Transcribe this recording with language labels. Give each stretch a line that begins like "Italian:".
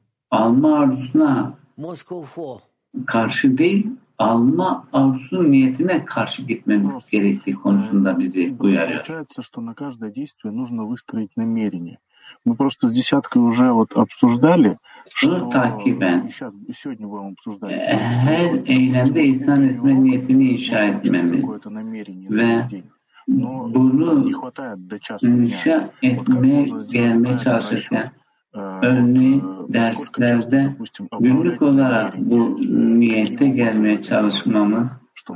Turkish: алмарсуна карши дейл alma arzusu niyetine karşı gitmemiz gerektiği konusunda bizi uyarıyor.
Russian: Получается, что на каждое действие нужно выстроить намерение. Мы просто с десяткой уже вот обсуждали, что сегодня будем обсуждать.
Turkish: Her eylemde ihsan etme niyetini inşa etmemiz ve bunu inşa etmeye gelmeye çalışırken örneğin derslerde günlük olarak bu niyete gelmeye çalışmamız